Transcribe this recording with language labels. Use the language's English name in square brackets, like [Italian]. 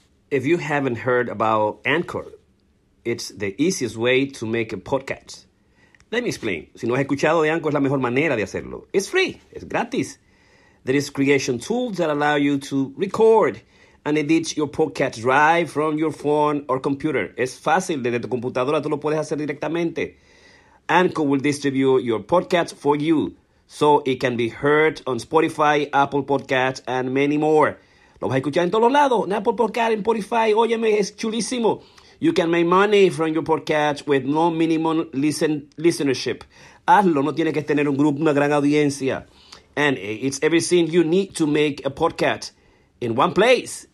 [English] If you haven't heard about Anchor, it's the easiest way to make a podcast. Let me explain. [Spanish] Si no has escuchado de Anchor, es la mejor manera de hacerlo. [English] It's free. It's gratis. There is creation tools that allow you to record and edit your podcast right from your phone or computer. [Spanish] Es fácil. Desde tu computadora tú lo puedes hacer directamente. [English] Anchor will distribute your podcast for you so it can be heard on Spotify, Apple Podcasts, and many more. [Spanish] Lo vas a escuchar en todos los lados, en Apple Podcast, en Spotify. Óyeme, es chulísimo. [English] You can make money from your podcast with no minimum listenership. [Spanish] Hazlo, no tienes que tener un grupo, una gran audiencia. [English] And it's everything you need to make a podcast in one place.